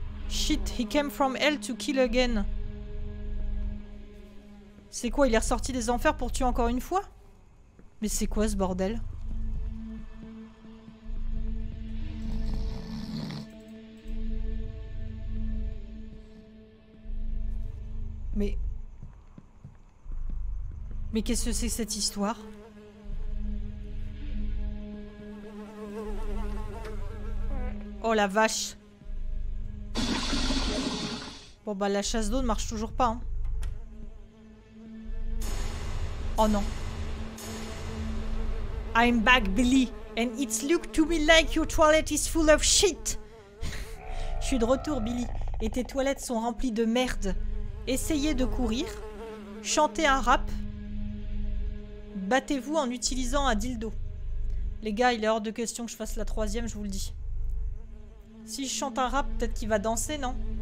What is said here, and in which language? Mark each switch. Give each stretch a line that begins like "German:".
English: Shit, he came from hell to kill again.
French: C'est quoi, il est ressorti des enfers pour tuer encore une fois? Mais c'est quoi ce bordel? Mais... Mais qu'est-ce que c'est cette histoire? Oh la vache! Bon bah la chasse d'eau ne marche toujours pas. Hein. Oh non.
English: I'm back, Billy. And it's looked to me like your toilet is full of shit.
French: Je suis de retour, Billy. Et tes toilettes sont remplies de merde. Essayez de courir. Chantez un rap. Battez-vous en utilisant un dildo. Les gars, il est hors de question que je fasse la troisième, je vous le dis. Si je chante un rap, peut-être qu'il va danser, non?